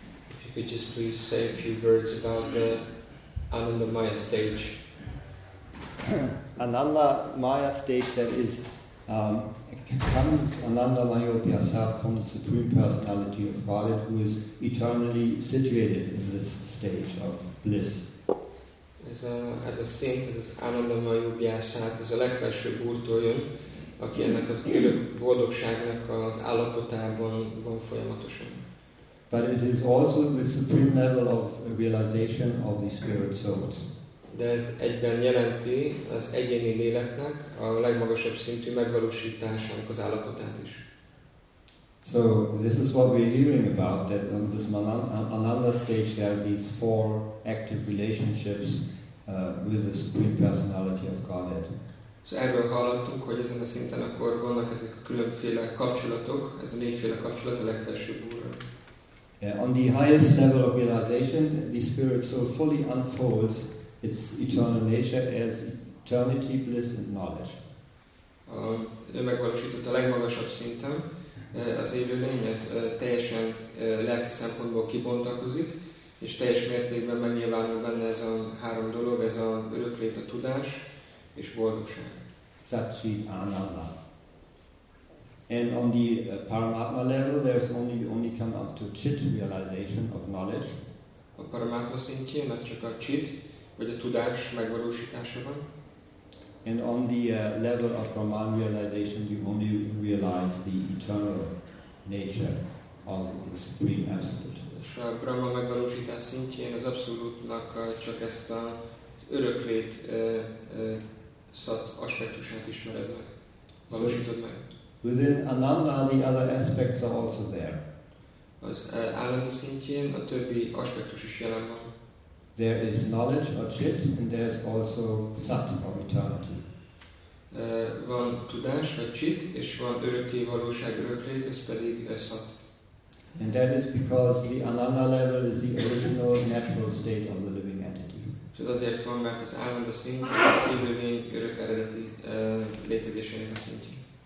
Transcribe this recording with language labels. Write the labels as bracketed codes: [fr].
[en] If you could just please say a few words about the Ananda Maya stage. Ananda Maya stage, that is, comes Ananda Maya Upyasat from the Supreme Personality of Godhead, who is eternally situated in this stage of bliss. As a saint, as Ananda Maya Upyasat, as a [hu] legfelsőbb úrtól jön, aki ennek az örök boldogságnak az állapotában van folyamatosan. [en] But it is also the supreme level of realization of the spirit souls. [hu] De ez egyben jelenti az egyéni léleknek a legmagasabb szintű megvalósításának az állapotát is. [en] So this is what we're hearing about, that on this Ananda stage there are these four active relationships with the Supreme Personality of Godhead. [hu] So erről hallottunk, hogy ezen a szinten akkor vannak ezek a különféle kapcsolatok, ez a négyféle kapcsolat a legfelsőbb úrral. [en] On the highest level of realization, the spirit soul fully unfolds its eternal nature as eternity, bliss and knowledge. [hu] Ő megvalósított a legmagasabb szinten, az élőlény ez teljesen lelki szempontból kibontakozik, és teljes mértékben megnyilvánul benne ez a három dolog, ez a öröklét, a tudás és boldogság. [sa] Satchi Ananda. [en] And on the Paramatma level, there's only come up to chit realization of knowledge. [hu] A Paramatma szintjén csak a chit, vagy a tudás megvalósítása van. [en] And on the level of Brahman realization, you only realize the eternal nature of the Supreme Absolute. [hu] És a Brahma megvalósítás szintjén az abszolútnak csak ezt a öröklét szat aspektusát ismered meg, valósítod meg. [en] Within Ananda, the other aspects are also there. [hu] Az Ananda szintjén a többi aspektus is jelen van. [en] There is knowledge or chit, and there is also sat or eternity. [hu] Van tudás vagy chit, és van örökké valóság, öröklét, ez pedig sat. [en] And that is because the Ananda level is the original natural state of the living entity. [hu] Tehát azért van, mert az Ananda szint az élőlény örök eredeti létezésének a szintje.